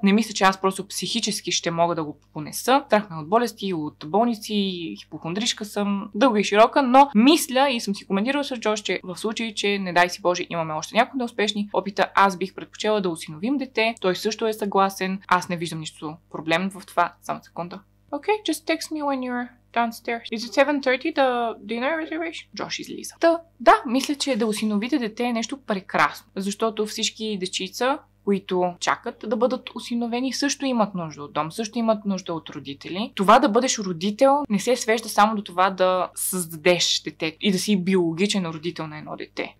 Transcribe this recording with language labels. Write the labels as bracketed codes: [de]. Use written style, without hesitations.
[bg] Не мисля, че аз просто психически ще мога да го понеса. Страх ме от болести, от болници, хипохондришка съм, дълга и широка, но мисля и съм си коментирала с Джош, че в случай, че не дай си Боже, имаме още някои неуспешни опита, аз бих предпочела да осиновим дете. Той също е съгласен. Аз не виждам нищо проблемно в това. Само секунда. [en] Okay, just text me when you're downstairs. Is it 7:30 the dinner reservation? [bg] Джош излиза. Да, мисля, че да осиновите дете е нещо прекрасно, защото всички дечица, които чакат да бъдат осиновени, също имат нужда от дом, също имат нужда от родители. Това да бъдеш родител не се свежда само до това да създадеш дете и да си биологичен родител на едно дете.